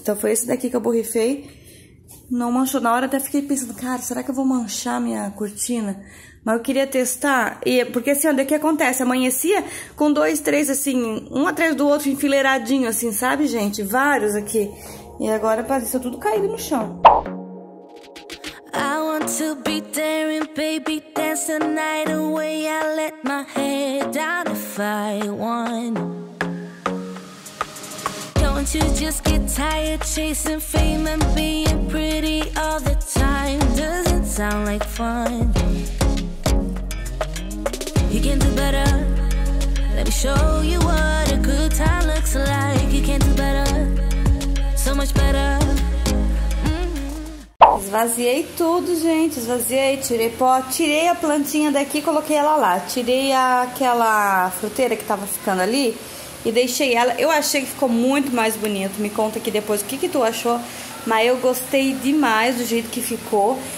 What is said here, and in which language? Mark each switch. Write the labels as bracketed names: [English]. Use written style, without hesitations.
[Portuguese] Então, foi esse daqui que eu borrifei. Não manchou na hora, até fiquei pensando, cara, será que eu vou manchar minha cortina? Mas eu queria testar. E porque assim, onde é que acontece? Amanhecia com dois, três, assim, um atrás do outro, enfileiradinho, assim, sabe, gente? Vários aqui. E agora parece tudo caído no chão. [English] To be daring, baby, dance the night away. I let my head down if I won. Don't you just get tired chasing fame and being pretty all the time? Doesn't sound like fun. You can do better. Let me show you what a good time looks like. You can do better, so much better. [Portuguese] Esvaziei tudo, gente. Esvaziei, tirei pó, tirei a plantinha daqui, coloquei ela lá. Tirei aquela fruteira que tava ficando ali e deixei ela. Eu achei que ficou muito mais bonito. Me conta aqui depois o que que tu achou, mas eu gostei demais do jeito que ficou.